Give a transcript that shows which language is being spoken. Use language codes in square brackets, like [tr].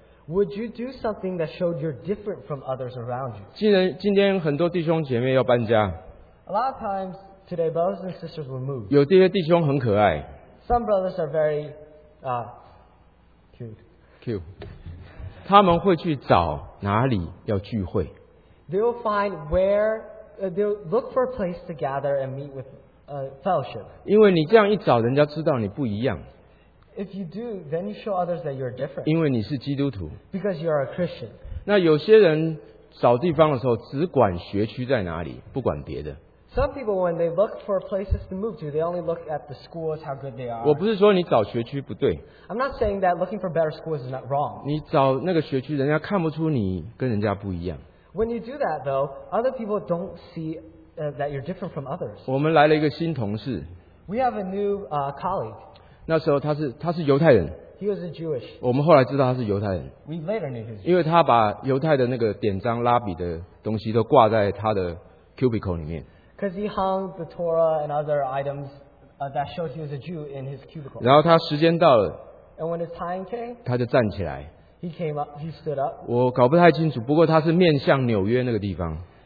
[en] Would you do something that showed you're different from others around you? [zh] 今天很多弟兄姐妹要搬家, [en] a lot of times today, brothers and sisters will move. [zh] 有这些弟兄很可爱, [en] some brothers are very cute. Cute. [zh] 他们会去找哪里要聚会? [en] They'll find where, they'll look for a place to gather and meet with fellowship. [zh] 因为你这样一找, 人家知道你不一样。 [en] If you do, then you show others that you're different. [zh] 因为你是基督徒。 [en] Because you are a Christian. [zh] 那有些人找地方的时候, 只管学区在哪里, 不管别的。 [en] Some people, when they look for places to move to, they only look at the schools, how good they are. [zh] 我不是说你找学区不对。 [en] I'm not saying that looking for better schools is not wrong. [zh] 你找那个学区, 人家看不出你跟人家不一样。 [en] When you do that, though, other people don't see that you're different from others. [zh] 我们来了一个新同事。 [en] We have a new colleague. [zh] 那时候他是犹太人。 [en] He was a Jewish. [zh] 我们后来知道他是犹太人。 [en] We later knew he was. [zh] 因为他把犹太的那个典章、拉比的东西都挂在他的cubicle里面。 [en] Because he hung the Torah and other items that showed he was a Jew in his cubicle. [zh] 然后他时间到了。 [en] And when his time came, [zh] 他就站起来。 [en] He came up, he stood up. [zh] 我搞不太清楚, 不过他是面向纽约那个地方。